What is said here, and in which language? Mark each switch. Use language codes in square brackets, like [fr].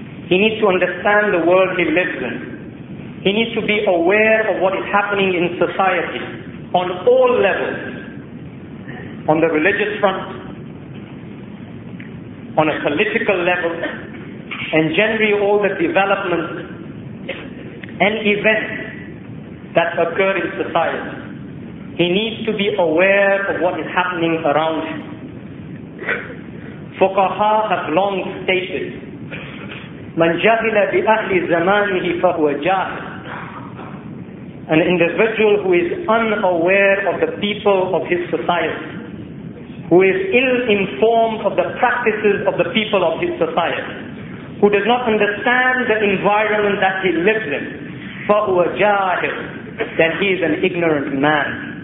[en] He needs to understand the world he lives in. He needs to be aware of what is happening in society on all levels, on the religious front, on a political level, and generally all the developments and events that occur in society. He needs to be aware of what is happening around him. Fuqaha have long stated, [ar] مَنْ جَهِلَ بِأَهْلِ زَمَانِهِ فَهُوَ جَاهِلٌ. [en] An individual who is unaware of the people of his society, who is ill-informed of the practices of the people of his society, who does not understand the environment that he lives in, [ar] فَهُوَ جَاهِلٌ, [en] then he is an ignorant man.